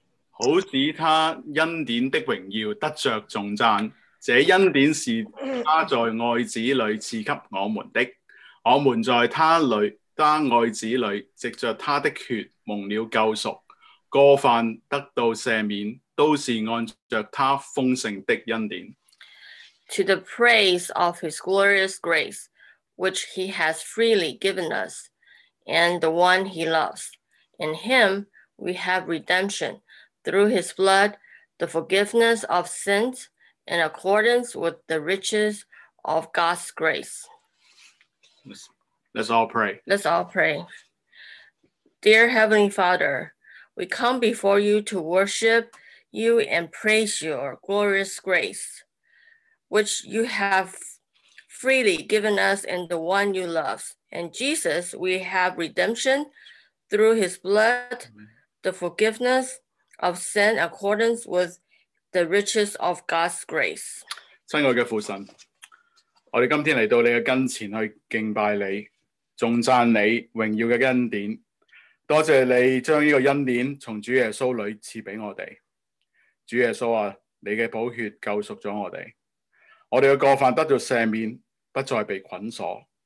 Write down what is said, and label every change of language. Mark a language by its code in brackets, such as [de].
[zh] 好使他恩典的荣耀得着重赞，这恩典是他在爱子里赐给我们的。我们在他里，他爱子里，藉着他的血蒙了救赎，过犯得到赦免，都是按着他丰盛的恩典。 [en] To the praise of his glorious grace, which he has freely given us. And the one he loves. In him we have redemption through his blood, the forgiveness of sins, in accordance with the riches of God's grace. Let's all pray. Let's all pray. Dear Heavenly Father, we come before you to worship you and praise your glorious grace, which you have freely given us in the one you love. And Jesus, we have redemption through his blood, the forgiveness of sin accordance with the riches of God's grace. [zh] 亲爱的父神，我们今天来到你的跟前去敬拜你，颂赞你荣耀的恩典。多谢你将这个恩典从主耶稣里赐给我们。主耶稣啊，你的宝血救赎了我们。我们的过犯得到赦免，不再被捆锁。